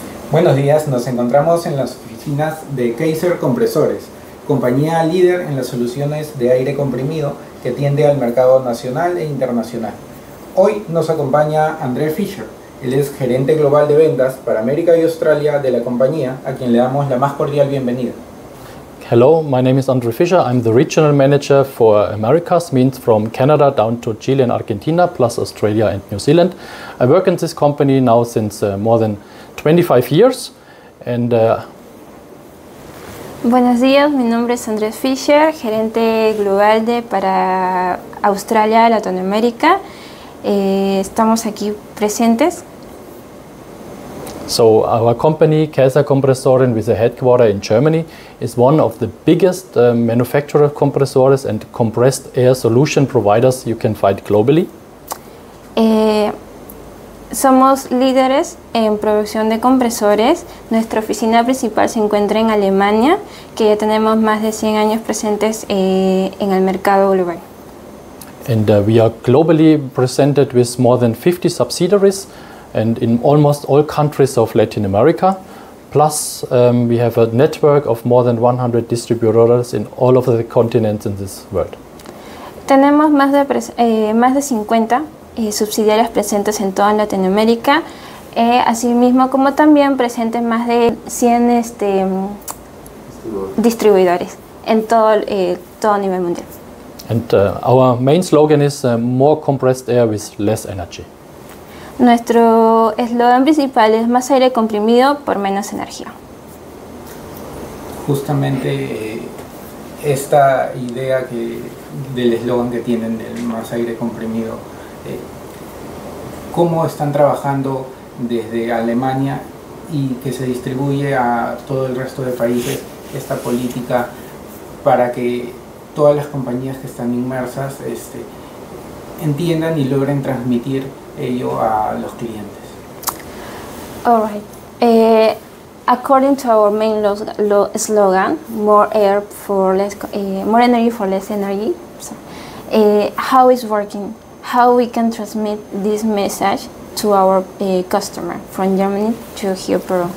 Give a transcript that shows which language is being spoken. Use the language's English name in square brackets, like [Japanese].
[Spanish] Buenos días, nos encontramos en las oficinas de Kaiser Compresores, compañía líder en las soluciones de aire comprimido que atiende al mercado nacional e internacional. Hoy nos acompaña André Fischer, él es gerente global de ventas para América y Australia de la compañía, a quien le damos la más cordial bienvenida. [English] Hello, my name is André Fischer. I'm the regional manager for Americas, means from Canada down to Chile and Argentina, plus Australia and New Zealand. I work in this company now since more than 25 years. And [Spanish] Buenos días, mi nombre es Andrés Fischer, gerente global de para Australia y Latinoamérica. Estamos aquí presentes. [English] So our company, Kaiser Compressoren, with a headquarter in Germany, is one of the biggest manufacturer of compressors and compressed air solution providers you can find globally. [Spanish] Somos líderes en producción de compresores. Nuestra oficina principal se encuentra en Alemania, que ya tenemos más de 100 años presentes en el mercado global. [English] And we are globally presented with more than 50 subsidiaries and in almost all countries of Latin America. Plus, we have a network of more than 100 distributors in all of the continents in this world. [Spanish] Tenemos más de 50 subsidiarias presentes en toda Latinoamérica, asimismo como también presentes más de 100 distribuidores en todo nivel mundial. [English] And our main slogan is more compressed air with less energy. [Spanish] Nuestro eslogan principal es más aire comprimido por menos energía. Justamente esta idea que del eslogan que tienen del más aire comprimido, ¿cómo están trabajando desde Alemania y que se distribuye a todo el resto de países esta política para que todas las compañías que están inmersas entiendan y logren transmitir ello a los clientes? [English] All right. According to our main slogan, more energy for less energy. So, how is working? How we can transmit this message to our customer from Germany to here, Peru?